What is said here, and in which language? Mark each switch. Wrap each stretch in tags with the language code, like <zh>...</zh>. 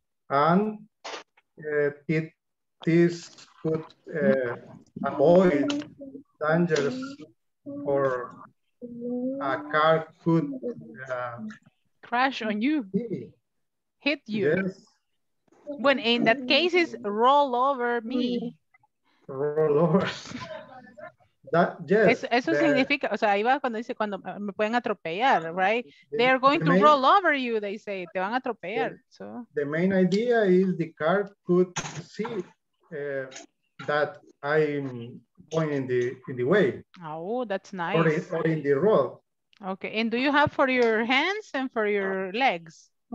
<en>And this could avoid dangers or a car could crash on you. Hit you. Yes. When in that case is roll over me. Roll over. That, yes.</en> <es>Eso significa, o sea, ahí va cuando dice, cuando me pueden atropellar, right?</es> <en>They are going to roll over you, they say.</en> <es>Te van a atropellar.</es> <en>So. The main idea is the car could see that I'm going in the way. Oh, that's nice. Or in the road. Okay, and do you have for your hands and for your legs?</en>